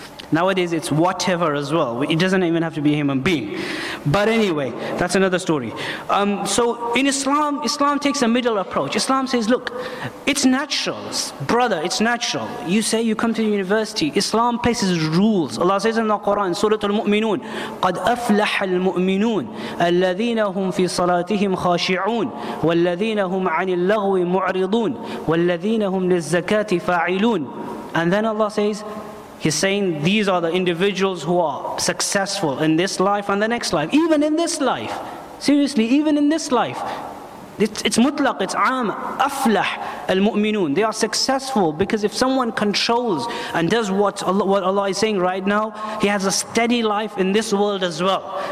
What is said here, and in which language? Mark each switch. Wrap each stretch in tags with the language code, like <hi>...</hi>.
<en>Nowadays it's whatever as well. It doesn't even have to be a human being. But anyway, that's another story. So in Islam, Islam takes a middle approach. Islam says, look, it's natural. Brother, it's natural. You say you come to university. Islam places rules. Allah says in the Quran, Surah Al-Mu'minun,</en> <ar>قَدْ أَفْلَحَ الْمُؤْمِنُونَ الَّذِينَ هُمْ فِي صَلَاتِهِمْ خَاشِعُونَ وَالَّذِينَ هُمْ عَنِ اللَّغْوِ مُعْرِضُونَ وَالَّذِينَ هُمْ لِلزَّكَاةِ فَاعِلُونَ.</ar> <en>And then Allah says, He's saying these are the individuals who are successful in this life and the next life. Even in this life. Seriously, even in this life. It's mutlaq, it's am.</en> <ar>Aflah al-mu'minun.</ar> <en>They are successful because if someone controls and does what Allah is saying right now, he has a steady life in this world as well.</en>